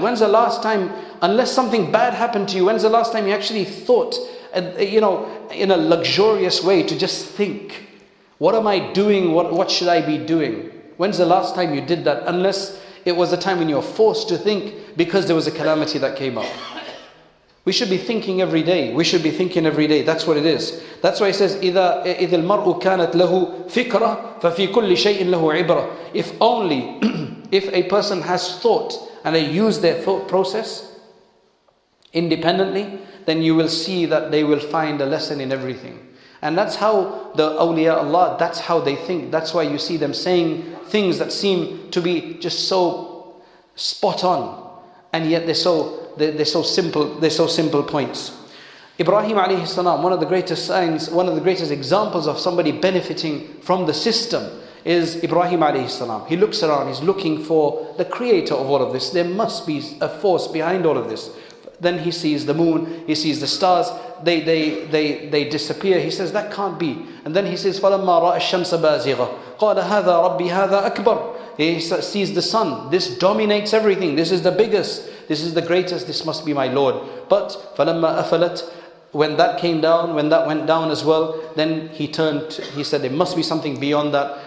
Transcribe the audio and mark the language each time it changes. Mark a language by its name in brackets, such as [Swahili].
[English] When's the last time, unless something bad happened to you, when's the last time you actually thought, in a luxurious way, to just think, what am I doing? What should I be doing? When's the last time you did that? Unless it was a time when you're forced to think because there was a calamity that came up. We should be thinking every day. We should be thinking every day. That's what it is. That's why it says, [Arabic] إِذَا الْمَرْءُ كَانَتْ لَهُ فِكْرَةً فَفِي كُلِّ شَيْءٍ لَهُ عِبْرَةً. [English] If only, if a person has thought and they use their thought process independently, then you will see that they will find a lesson in everything. And that's how the awliya Allah, that's how they think. That's why you see them saying things that seem to be just so spot on. And yet they're so simple points. Ibrahim alayhi salam, one of the greatest examples of somebody benefiting from the system is Ibrahim alayhi salam. He looks around, he's looking for the creator of all of this. There must be a force behind all of this. Then he sees the moon, he sees the stars, they disappear. He says, that can't be. And then he says, [Arabic] فَلَمَّا رَأَ الشَّمْسَ بَازِغَ قَالَ هَذَا رَبِّي هَذَا أَكْبَرُ. [English] He sees the sun, this dominates everything, this is the biggest, this is the greatest, this must be my Lord. But [Arabic] فَلَمَّا أَفَلَتْ, [English] when that came down, when that went down as well, then he turned, he said, there must be something beyond that.